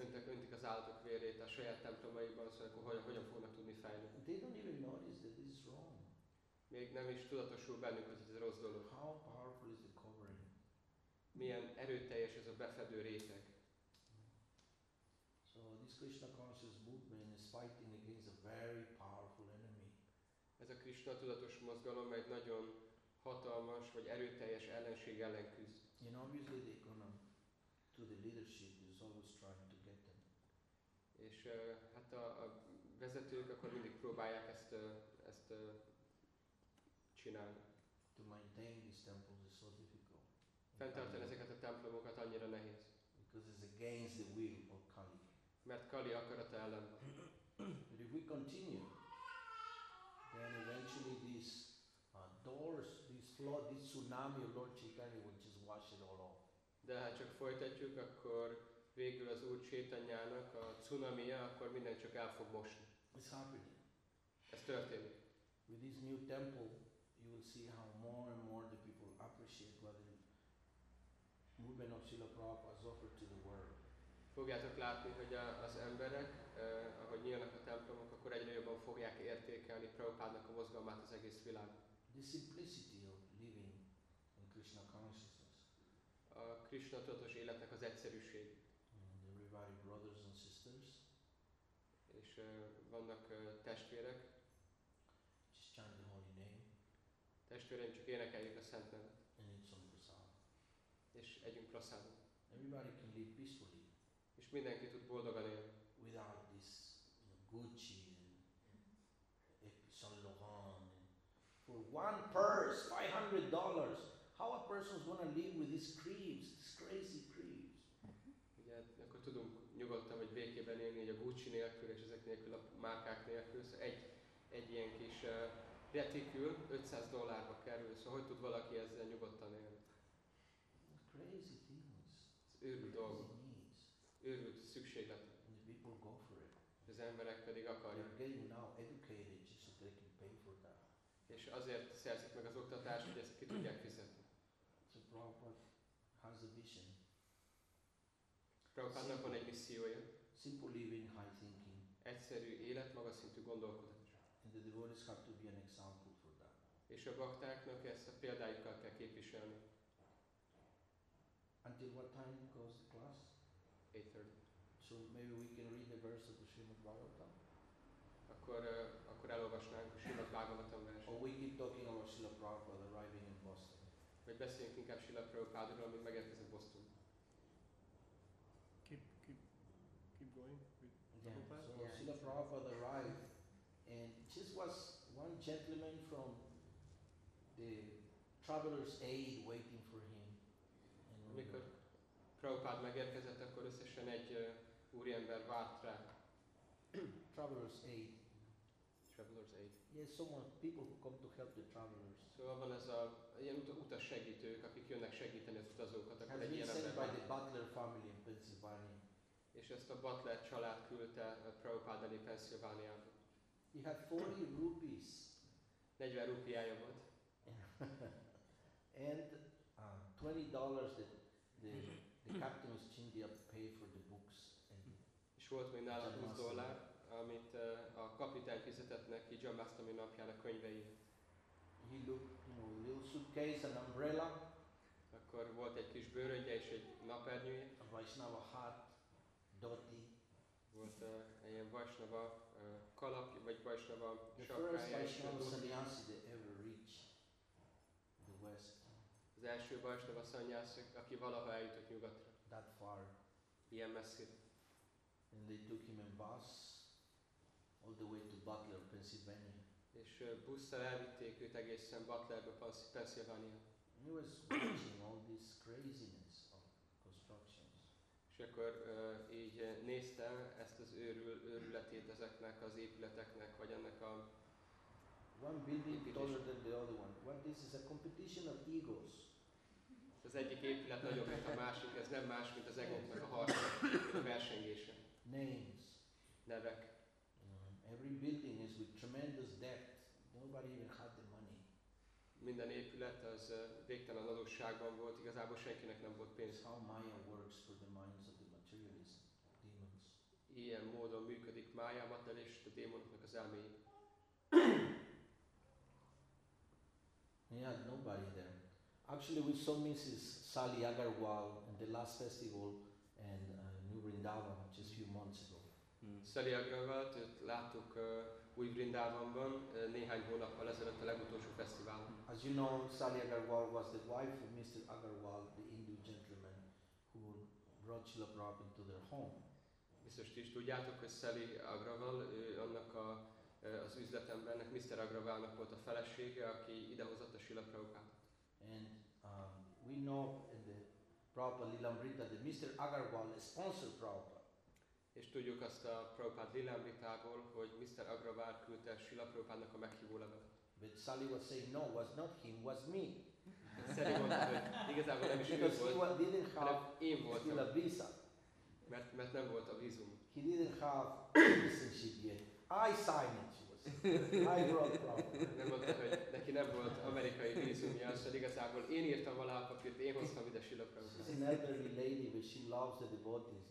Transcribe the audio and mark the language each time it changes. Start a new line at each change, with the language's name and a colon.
Hungarian: Öntik az állatok vérét a saját templomaiban, szóval akkor hogyan fognak tudni fejlődni?
English: They don't even notice that this is wrong.
Hungarian: Még nem is tudatosul bennük, hogy ez rossz dolog.
English: How powerful is the covering?
Hungarian: Milyen erőteljes ez a befedő réteg.
English: So this Krishna conscious movement is fighting against a very powerful enemy.
Hungarian: Ez a Krishna tudatos mozgalom egy nagyon hatalmas vagy erőteljes ellenség ellen küzd.
English: You know, obviously they gonna to the leadership is always trying to get them.
Hungarian: És hát a vezetők akkor mindig próbálják ezt csinálni.
English: To maintain these temples is so difficult.
Hungarian: Fenntartani ezeket a templomokat annyira nehéz.
English: Because it's against the will of Kali.
Hungarian: Mert Kali akarata ellen.
English: But if we continue, then eventually these doors, this flood, this tsunami of Lord Chaitanya will just wash it all off.
Hungarian: De ha csak folytatjuk, akkor végül az Úr Chaitanyának a cunamija, akkor minden csak el fog mosni.
English: It's happening.
Hungarian: Ez történik.
English: With this new temple, you will see how more and more the people appreciate what the movement of Srila Prabhupada has offered to the world.
Hungarian: Fogjátok látni, hogy az emberek, ahogy nyílnak a templomok, akkor egyre jobban fogják értékelni Prabhupádnak a mozgalmát az egész világon.
English: The simplicity of living in Krishna consciousness.
Hungarian: A Krishna tudatos életnek az egyszerűség.
English: And everybody brothers and sisters.
Hungarian: És vannak testvérek.
English: Just chant the holy name.
Hungarian: Testvéreim, csak énekeljük a szent nevet.
English: And eat some prasad.
Hungarian: És együnk prasadot.
English: Everybody can live peacefully.
Hungarian: És mindenki tud boldogan élni.
English: Without this, you know, Gucci and Saint Laurent. For one purse, $500. How a person is gonna live with these creeps, these crazy creeps?
Hungarian: Ugye, akkor tudunk nyugodtan vagy békében élni, hogy a Gucci nélkül és ezek nélkül a márkák nélkül, szóval egy ilyen kis retikül $500 kerül, szóval hogy tud valaki ezzel nyugodtan élni?
English: Crazy things.
Hungarian: Ez őrült dolog. Őrült szükséglet.
English: And the people go for it.
Hungarian: Az emberek pedig akarják.
English: They're getting now educated just so they can pay for that.
Hungarian: És azért szerzik meg az oktatást, hogy ezt ki tudják fizetni.
English: So Prabhupada has a vision.
Hungarian: Prabhupádnak van egy missziója.
English: Simple living, high thinking.
Hungarian: Egyszerű élet, magas szintű gondolkodás.
English: And the devotees have to be an example for that.
Hungarian: És a baktáknak ezt a példájukkal kell képviselni.
English: Until what time goes the class? 8:30. So maybe we can read the verse of the Srimad Bhagavatam.
Hungarian: Akkor elolvasnánk a Srimad Bhagavatam verset.
English: Or we keep talking about Srila Prabhupada arriving in Boston.
Hungarian: Vagy beszéljünk inkább Srila Prabhupadról, amíg megérkezik Boston.
English: Keep going with Prabhupada. Yeah. So Srila Prabhupada arrived, and just was one gentleman from the traveler's aid waiting for him.
Hungarian: Amikor Prabhupada megérkezett, akkor összesen egy úriember várt rá.
English: Traveler's aid. Traveler's aid. Yes, someone, people who come to help the travelers.
Hungarian: Szóval van ez a ilyen utas segítők, akik jönnek segíteni az utazókat. Akkor egy ilyen ember.
English: By the Butler family in Pennsylvania.
Hungarian: És ezt a Butler család küldte Prabhupada elé Pennsylvaniába.
English: He had 40 rupees.
Hungarian: 40 rupiája volt.
English: And $20 that the captain was chindi up to pay for the books.
Hungarian: És volt még nála $20, amit a kapitány fizetett neki John Mastami napján a könyveiért.
English: He looked, you know, a little suitcase, an umbrella.
Hungarian: Akkor volt egy kis bőröndje és egy napernyője.
English: A Vaishnava hat, doti.
Hungarian: Volt egy ilyen Vaishnava kalap, vagy Vaishnava sapkája.
English: The first Vaishnava sannyasi that ever reached the West.
Hungarian: Az első Vaishnava sannyasi, aki valaha eljutott nyugatra.
English: That far.
Hungarian: Ilyen messzire.
English: And they took him in bus all the way to Butler, Pennsylvania.
Hungarian: És busszal elvitték őt egészen Butlerbe, Pennsylvania.
English: And he was watching all this craziness of constructions.
Hungarian: És akkor így nézte ezt az őrületét ezeknek az épületeknek, vagy ennek a
English: one building taller than the other one. What this is a competition of egos.
Hungarian: Az egyik épület nagyobb, mint a másik, ez nem más, mint az egóknak a harca, a versengése.
English: Names.
Hungarian: Nevek.
English: Every building is with tremendous debt. Nobody even had the money.
Hungarian: Minden épület az végtelen adósságban volt, igazából senkinek nem volt pénz.
English: How Maya works for the minds of the materialist demons.
Hungarian: Ilyen módon működik Maya materialist és a démonoknak az elméje.
English: He had nobody there. Actually, we saw Mrs. Sally Agarwal in the last festival and New Vrindavan just a few months ago.
Hungarian: Sally Agarwal, őt láttuk Új Vrindavanban néhány hónappal ezelőtt a legutolsó fesztiválon.
English: As you know, Sally Agarwal was the wife of Mr. Agarwal, the Hindu gentleman who brought Srila Prabhupada into their home.
Hungarian: Biztos ti is tudjátok, hogy Sally Agarwal, ő annak a, az üzletembernek, Mr. Agarwalnak volt a felesége, aki idehozott a Srila Prabhupada.
English: And we know in the Prabhupada Lilamrita that Mr. Agarwal sponsored Prabhupada.
Hungarian: És tudjuk azt a Prabhupada Lilamritából, hogy Mr. Agarwal küldte Srila Prabhupadának a meghívó levelet.
English: But Sally was saying, no, was not him, was me.
Hungarian: Sally mondta, hogy igazából nem is ő volt,
English: didn't have
Hungarian: én voltam.
English: Still a visa.
Hungarian: Mert nem volt a vízum.
English: He didn't have citizenship yet. I signed it. I
Hungarian: nem mondta, hogy neki nem volt amerikai vízumja, szóval igazából én írtam alá a papírt, én hoztam ide Srila Prabhupádot.
English: She's an elderly lady, but she loves the devotees.